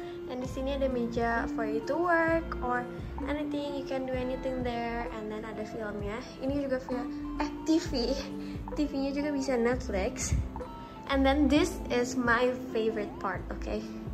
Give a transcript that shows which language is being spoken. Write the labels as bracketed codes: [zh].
[en] And [id] di sini ada meja [en] for you to work or anything, you can do anything there. And then [id] ada filmnya. Ini juga punya TV. TV-nya juga bisa Netflix. [en] And then this is my favorite part, okay?